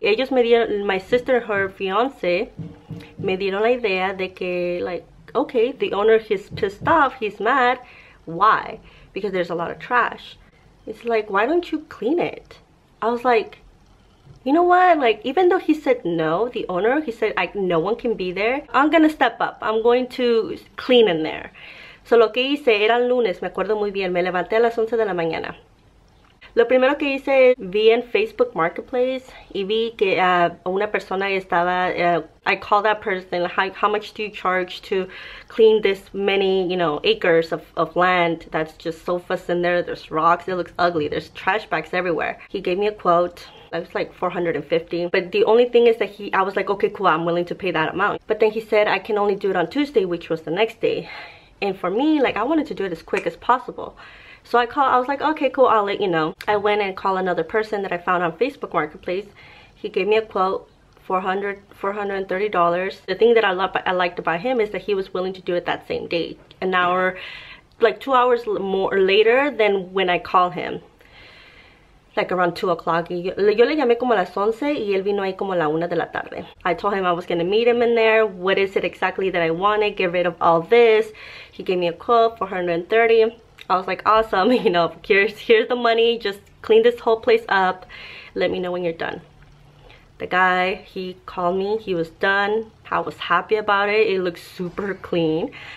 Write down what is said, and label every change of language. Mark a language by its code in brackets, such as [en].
[es] Ellos me dieron, [en] my sister, her fiance, [es] me dieron la idea de que [en] like, okay, the owner, he's pissed off, he's mad, why? Because there's a lot of trash. It's like, why don't you clean it? I was like, you know what? Like, even though he said no, the owner, he said, like, no one can be there. I'm gonna step up. I'm going to clean in there. [es] So lo que hice, era el lunes, me acuerdo muy bien. Me levanté a las 11 de la mañana. Lo primero que hice, vi en Facebook Marketplace y vi que una persona estaba, [en] I called that person, how much do you charge to clean this many, you know, acres of land that's just sofas in there, there's rocks, it looks ugly, there's trash bags everywhere. He gave me a quote, that was like $450, but the only thing is that I was like, okay, cool, I'm willing to pay that amount. But then he said, I can only do it on Tuesday, which was the next day. And for me, like, I wanted to do it as quick as possible. So I was like, okay, cool, I'll let you know. I went and called another person that I found on Facebook Marketplace. He gave me a quote, $430. The thing that I liked about him is that he was willing to do it that same day. An hour, like 2 hours more later than when I called him. Like around 2 o'clock. [es] Yo le llamé como a las 11 y él vino ahí como a la 1 de la tarde. [en] I told him I was gonna meet him in there. What is it exactly that I wanted? Get rid of all this. He gave me a quote, $430. I was like, awesome, you know, here's the money, just clean this whole place up, let me know when you're done. The guy, he called me, he was done, I was happy about it, it looks super clean.